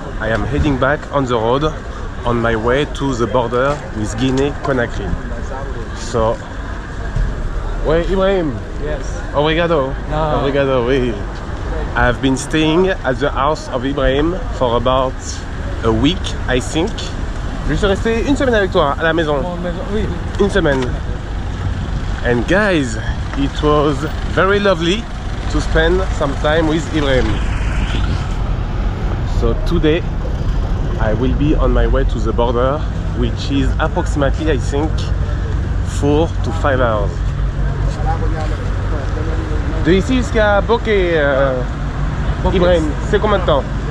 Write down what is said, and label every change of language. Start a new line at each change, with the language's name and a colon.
English: I am heading back on the road on my way to the border with Guinea, Conakry. So, wait, Ibrahim. Yes.
Portuguese: Obrigado.
English: No.
Portuguese: Obrigado, oui.
English: I have been staying at the house of Ibrahim for about a week, I think.
French: Je suis resté une semaine avec toi à la maison. Oui. Une semaine.
English: And guys, it was very lovely to spend some time with Ibrahim. So today, I will be on my way to the border, which is approximately, I think, 4 to 5 hours.
French: De ici jusqu'à Bokeh, Ibrahim, c'est combien de temps?